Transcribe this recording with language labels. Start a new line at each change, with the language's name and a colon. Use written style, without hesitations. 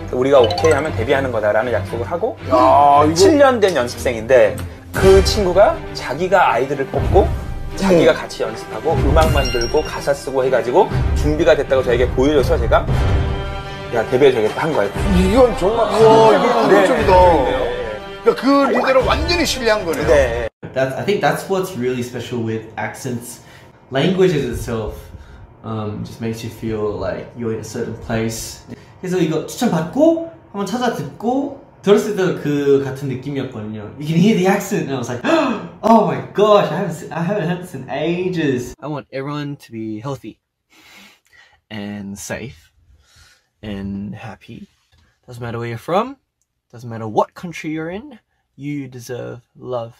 Korean: 우리가 오케이 하면 데뷔하는 거다라는 약속을 하고 야, 7년 된 연습생인데 그 친구가 자기가 아이들을 뽑고 자기가 같이 연습하고 음악 만들고 가사 쓰고 해가지고 준비가 됐다고 저에게 보여줘서 제가 야 데뷔해줘야겠다 한 거예요. 이건 정말 와 이건 감동적이다. 야 그 리더를 완전히 신뢰한 거네요. 네.
English: That's, I think that's what's really special with accents. Languages itself just makes you feel like you're in a certain place.
Korean: 그래서 이거 추천 받고 한번 찾아 듣고 들었을 때도 그 같은 느낌이었거든요.
English: You can hear the accent, and I was like, oh my gosh, I haven't heard this in ages. I want everyone to be healthy and safe and happy. Doesn't matter where you're from. Doesn't matter what country you're in. You deserve love.